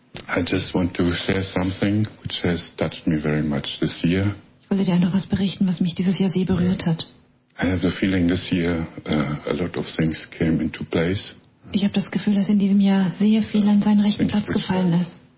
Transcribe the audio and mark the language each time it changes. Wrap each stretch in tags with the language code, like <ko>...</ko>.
<en>I just want to share something which has touched me very much this year.</en> <de>Ich wollte dir einfach was berichten, was mich dieses Jahr sehr berührt hat.</de> <en>I have the feeling this year a lot of things came into place.</en> <de>Ich habe das Gefühl, dass in diesem Jahr sehr viel an seinen rechten Platz gefallen ist.</de>